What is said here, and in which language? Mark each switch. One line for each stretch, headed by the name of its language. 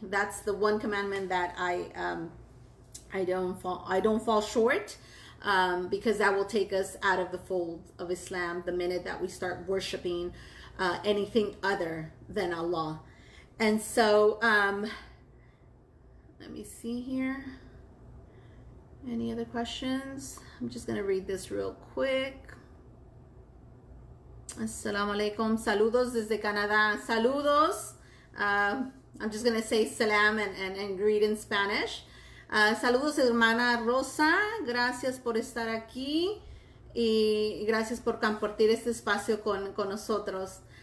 English: That's the one commandment that I don't fall short, because that will take us out of the fold of Islam the minute that we start worshiping anything other than Allah. And so let me see here, any other questions? I'm just gonna read this real quick.
Spanish: Assalamu alaikum, saludos desde Canada, saludos.
English: I'm just gonna say salam and greet in Spanish.
Spanish: Saludos hermana Rosa, gracias por estar aquí y gracias por compartir este espacio con nosotros.